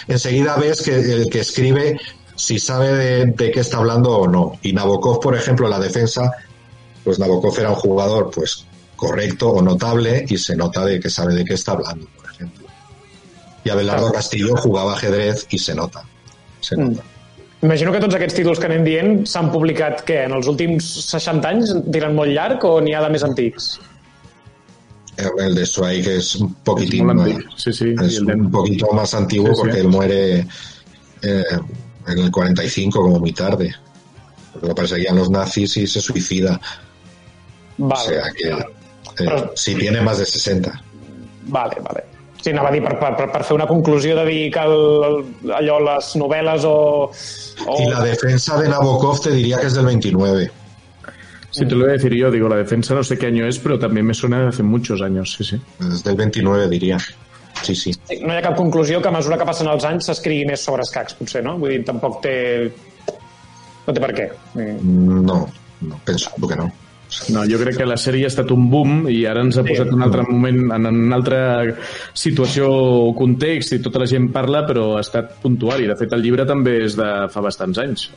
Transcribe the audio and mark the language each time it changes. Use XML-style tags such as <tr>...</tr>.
<es>Enseguida ves que el que escribe si sabe de qué está hablando o no. Y Nabokov, por ejemplo, en la defensa, pues Nabokov era un jugador pues correcto o notable y se nota de que sabe de qué está hablando, por ejemplo. Y Abelardo Castillo jugaba ajedrez y se nota. Se nota.</es> <ca>Imagino que tots aquests títols que anem dient s'han publicat, què, en els últims 60 anys, diran molt llarg, o n'hi ha de més antics? El de Swaik és un poquitín més antic. Sí, sí.</ca> <es>És un poquito más antiguo, sí, sí, porque él muere en el 45, como muy tarde. Porque lo perseguían los nazis y se suicida. Vale. O sea, que si tiene más de 60. Vale, vale.</es> <ca>Sí, anava a dir, per fer una conclusió, de dir que allò, les novel·les o... I la defensa de Nabokov te diria que és del 29.</ca> <es>Sí, te lo voy a decir yo. Digo, la defensa no sé qué año es, pero también me suena de hace muchos años, sí, sí.</es> <ca>Des del 29, diria. Sí, sí. No hi ha cap conclusió que a mesura que passen els anys s'escrigui més sobre escacs, potser, no? Vull dir, tampoc té... No té per què. No, no penso que no. No, jo crec que la sèrie ha estat un boom i ara ens ha posat un altre moment en una altra situació o context i tota la gent parla, però ha estat puntual. I, de fet, el llibre també és de fa bastants anys.</ca>